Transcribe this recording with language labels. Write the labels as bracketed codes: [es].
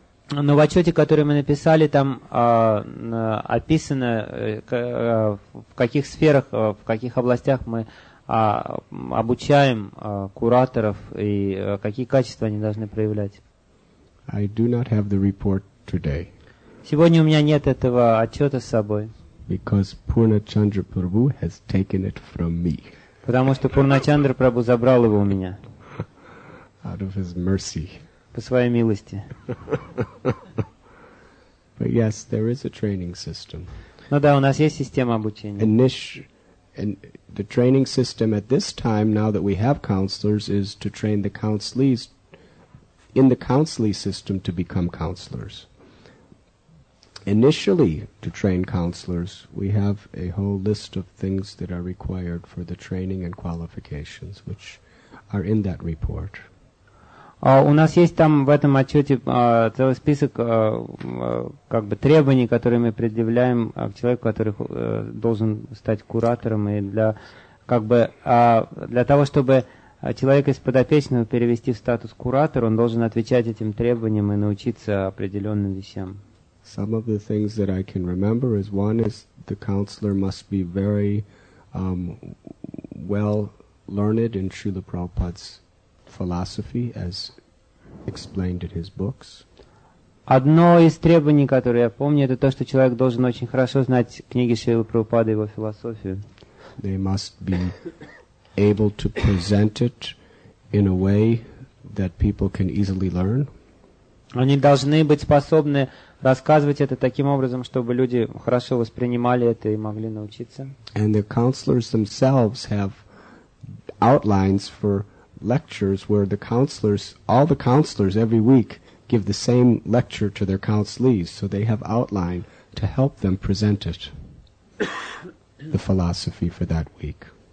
[ru] Но в отчете, который мы написали, там описано, в каких сферах, в каких областях мы обучаем кураторов и какие качества они должны проявлять. [en] I do not have the report today. [ru] Сегодня у меня нет этого отчета с собой. [en] Because Purnachandra Prabhu has taken it from me. [ru] Потому что Пурначандра Прабху забрал его у меня. [en] Out of his mercy. [ru] По своей милости. [en] But yes, there is a training system. [ru] Ну да, у нас есть система обучения. [en] And the training system at this time, now that we have counselors, is to train the counselees in the counselee system to become counselors. Initially, to train counselors, we have a whole list of things that are required for the training and qualifications, which are in that report. [ru] У нас есть там в этом отчете целый список как бы требований, которые мы предъявляем к человеку, который должен стать куратором, и для того, чтобы человека из подопечного перевести в статус куратора, он должен отвечать этим требованиям и научиться определенным вещам. [en] Some of the things that I can remember is one is the counselor must be very well learned in Srila Prabhupada's philosophy as explained in his books. [ru] Одно из требований, которое я помню, это то, что человек должен очень хорошо знать книги Шрилы Прабхупады и его философию. [en] They must be able to present it in a way that people can easily learn. [ru] Они должны быть способны рассказывать это таким образом, чтобы люди хорошо воспринимали это и могли научиться. [en] And the counselors themselves have outlines for lectures where the counselors, all the counselors every week give the same lecture to their counselees, so they have outline to help them present it, the philosophy for that week.